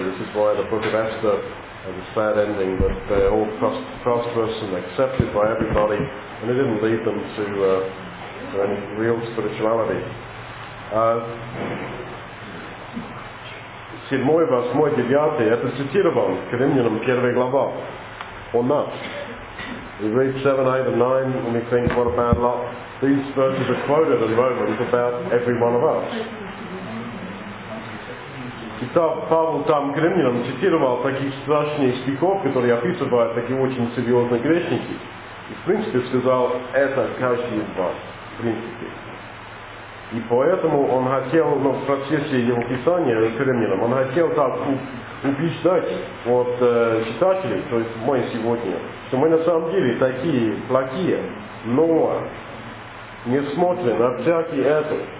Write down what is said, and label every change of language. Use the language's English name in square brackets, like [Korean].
[English] This is why the book of Esther has a sad ending, that they're all prosperous and accepted by everybody, and it didn't lead them to any real spirituality. [Russian] Седьмой восьмой девятый это цитирован к римлянам первая глава. [English] Or not. We read 7, 8, and 9, and we think, what a bad lot. These verses are quoted in Romans about every one of us. [Russian] Итак, Павел там к римлянам цитировал таких страшных стихов, которые описывают такие очень серьезные грешники. И в принципе сказал, это каждый из вас, в принципе. И поэтому он хотел, ну, в процессе его писания к римлянам, он хотел так убеждать вот читателей, то есть мы сегодня, что мы на самом деле такие плохие, но не смотрим на всякий это.